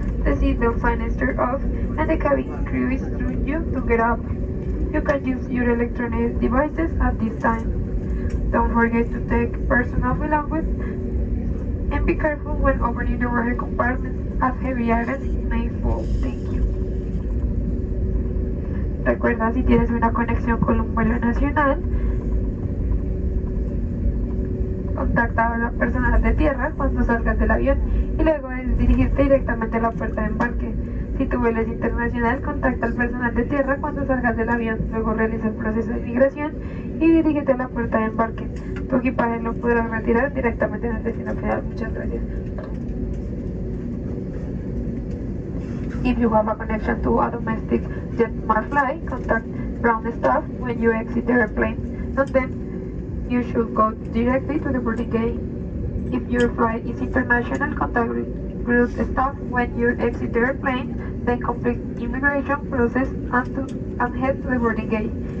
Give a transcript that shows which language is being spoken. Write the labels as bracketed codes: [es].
[en] The seatbelt sign is turned off and the cabin crew is instructing you to get up. You can use your electronic devices at this time. Don't forget to take personal belongings and be careful when opening the overhead compartments as heavy items may fall. Thank you. [es] Recuerda, si tienes una conexión con un vuelo nacional, contacta a la persona de tierra cuando salgas del avión y luego debes dirigirte directamente a la puerta de embarque. Si tu vuelo es internacional, contacta al personal de tierra cuando salgas del avión. Luego realiza el proceso de inmigración y dirígete a la puerta de embarque. Tu equipaje lo podrás retirar directamente en el destino final. Muchas gracias. [en] If you have a connection to a domestic JetSmart flight, contact ground staff when you exit the airplane. Note that you should go directly to the boarding gate. If your flight is international, contact group staff when you exit the airplane, then complete immigration process and head to the boarding gate.